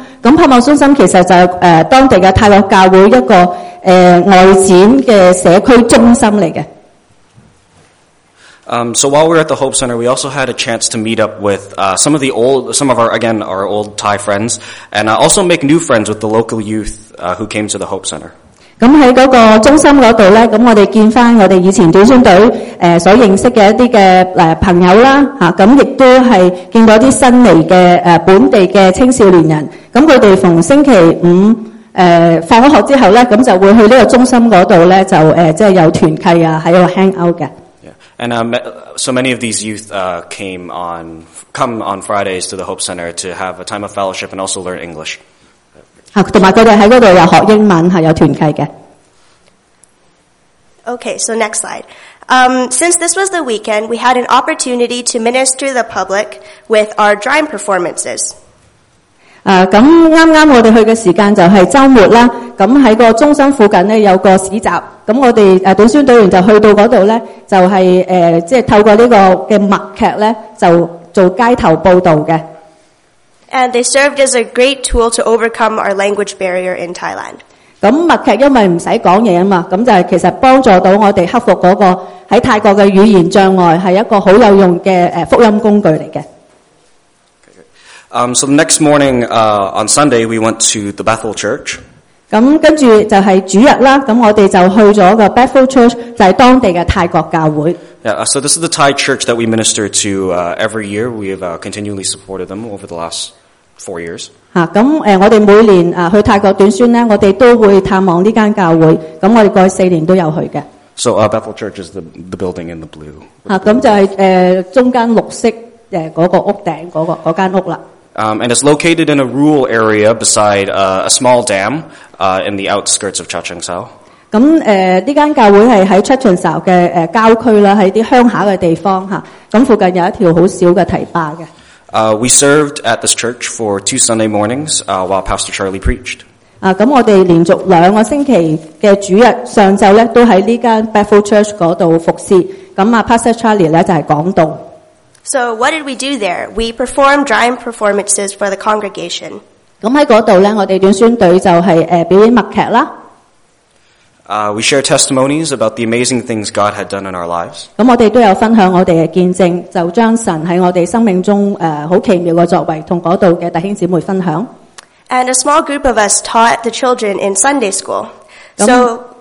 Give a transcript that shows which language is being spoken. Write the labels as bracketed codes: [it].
[yue] 咁盼望中心其实就当地嘅泰国教会一个外展嘅社区中心嚟嘅。 [en] So while we were at the Hope Center, we also had a chance to meet up with some of our old Thai friends, and also make new friends with the local youth who came to the Hope Center. [yue] 咁喺嗰个中心嗰度咧，咁我哋见翻我哋以前短宣队所认识嘅一啲嘅朋友啦，咁亦都系见到啲新嚟嘅本地嘅青少年人。咁佢哋逢星期五放咗学之后咧，咁就会去呢个中心嗰度咧，就即系有团契啊，喺度 hang out 嘅。 [en] And so many of these youth come on Fridays to the Hope Center to have a time of fellowship and also learn English. [yue] 同埋佢哋喺嗰度又学英文，系有团契嘅。 [en] Okay, so next slide. Since this was the weekend, we had an opportunity to minister the public with our drum performances. [yue] 咁啱啱我哋去嘅时间就系周末啦。咁喺个中心附近咧有个市集。咁我哋短宣队员就去到嗰度咧，就系即系透过呢个嘅默剧咧，就做街头报道嘅。 [en] And they served as a great tool to overcome our language barrier in Thailand. [yue] 咁默剧因为唔使讲嘢啊嘛，咁就系其实帮助到我哋克服嗰个喺泰国嘅语言障碍，系一个好有用嘅福音工具嚟嘅。 [en] So the next morning, on Sunday, we went to the Bethel Church. [yue] 咁跟住就係主日啦，咁我哋就去咗个 Bethel Church， 就係当地嘅泰国教会。 [en] Yeah, so this is the Thai church that we minister to, every year. We have, continually supported them over the last 4 years. [yue] 咁我哋每年去泰国短宣呢，我哋都会探望呢间教会。咁我哋过去四年都有去嘅。 [en] So, Bethel Church is the building in the blue. [yue] 咁就係中间绿色嗰个屋顶嗰间屋啦。 [en] And it's located in a rural area beside a small dam in the outskirts of Chachengsao. [yue] 咁呢間教會係喺 Chachengsao 嘅郊區啦，喺啲鄉下嘅地方嚇。咁附近有一條好小嘅堤壩嘅。 [en] We served at this church for two Sunday mornings while Pastor Charlie preached. [yue] 咁我哋連續兩個星期嘅主日上晝咧，都喺呢間 Bethel Church 嗰度服侍。咁Pastor Charlie 咧就係講道。 [en] So what did we do there? We performed drama performances for the congregation. [yue] 咁喺嗰度咧，我哋短宣隊就係表演默劇啦。 [en] We share testimonies about the amazing things God had done in our lives. [yue] 咁我哋都有分享我哋嘅见证，就将神喺我哋生命中好奇妙嘅作为，同嗰度嘅弟兄姊妹分享。 [en] And a small group of us taught the children in Sunday school. So,